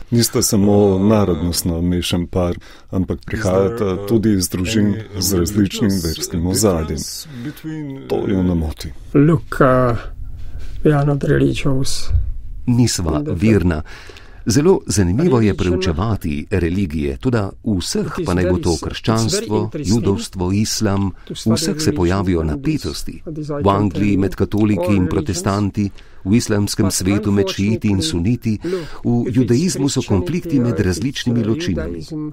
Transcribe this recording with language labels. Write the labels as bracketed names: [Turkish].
[Slovenian] Niste samo narodnostno mešan par, ampak prihajata tudi iz družin z različnim verskim ozadjem. To jo namoti. [English] Look, we are not religious. [Slovenian] Nisva verna. Zelo zanimivo je preučevati religije, tudi vseh, pa naj bo to krščanstvo, judovstvo, islam, vseh se pojavijo napetosti. V Angliji med katoliki in protestanti, v islamskem svetu med šiiti in suniti, v judaizmu so konflikti med različnimi ločinami.